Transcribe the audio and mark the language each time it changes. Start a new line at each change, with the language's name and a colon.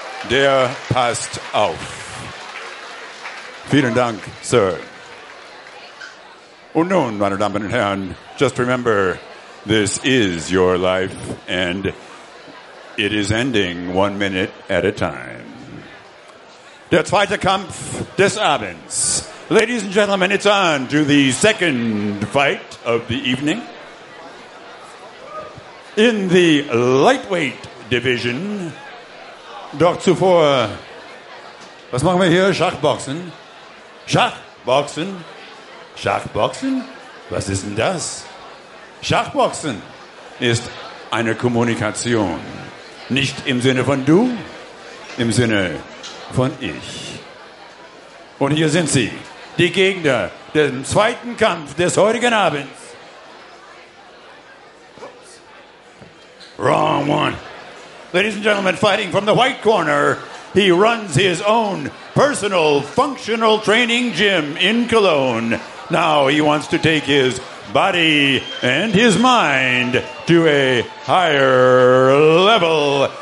German: Der passt auf. Vielen Dank, Sir. Und nun, meine Damen und Herren,
English: just remember, this is your life and it is ending one minute at a time.
German: Der zweite Kampf des Abends.
English: Ladies and gentlemen, it's on to the second fight of the evening. In the lightweight division.
German: Doch zuvor, was machen wir hier? Schachboxen? Schachboxen? Schachboxen? Was ist denn das? Schachboxen ist eine Kommunikation. Nicht im Sinne von du, im Sinne von ich. Und hier sind sie, die Gegner des zweiten Kampfes des heutigen Abends.
English: Oops. Wrong one. Ladies and gentlemen, fighting from the white corner, he runs his own personal functional training gym in Cologne. Now he wants to take his body and his mind to a higher level.